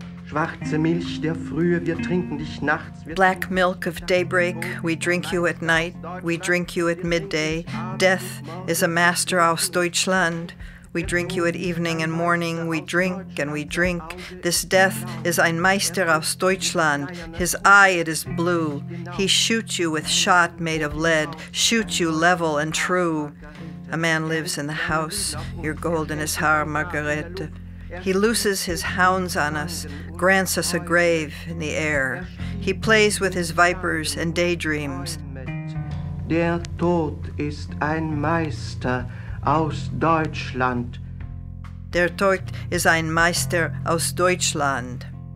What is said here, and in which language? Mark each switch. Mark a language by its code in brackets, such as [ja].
[en] Black milk of daybreak, we drink you at night, we drink you at midday. Death is a master [de] aus Deutschland. [en] We drink you at evening and morning. We drink and we drink. This death is [de] ein Meister aus Deutschland. [en] His eye, it is blue. He shoots you with shot made of lead, shoots you level and true. A man lives in the house, your golden is hair, Marguerite. He looses his hounds on us, grants us a grave in the air. He plays with his vipers and daydreams. [de] Der Tod ist ein Meister aus Deutschland. Der Tod ist ein Meister aus Deutschland.